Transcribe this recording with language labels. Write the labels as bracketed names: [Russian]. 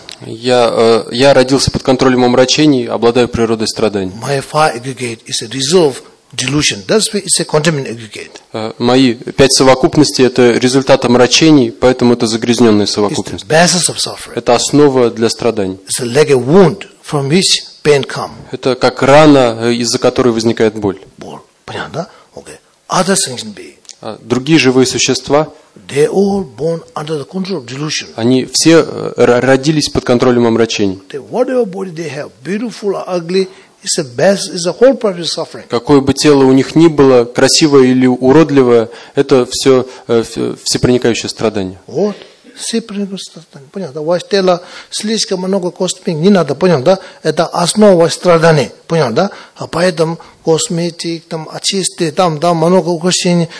[Russian] Я родился под контролем омрачений, обладаю природой страданий. [English] My five aggregate is a result of delusion. That's why it's a contaminant aggregate. [Russian] Мои пять совокупностей – это результат омрачений, поэтому это загрязненные совокупности. [English] It's the basis of suffering. [Russian] Это основа для страданий. [English] It's like a wound from which pain comes. [Russian] Это как рана, из-за которой возникает боль. Понятно, да? [English] Okay. Other things be. [Russian] Другие живые существа, [English] they all born under the control of delusion. [Russian] Они все родились под контролем омрачений. [English] Whatever body they have, beautiful or ugly, is the best, is the whole process of suffering. [Russian] Какое бы тело у них ни было, красивое или уродливое, это все всепроникающее страдание. Вот, всепроникающее страдание. Понял, да? Ваше тело слишком много косметик, не надо, понял, да? Это основа страдания, понял, да? А поэтому косметик, там, очистки, там, много украшений.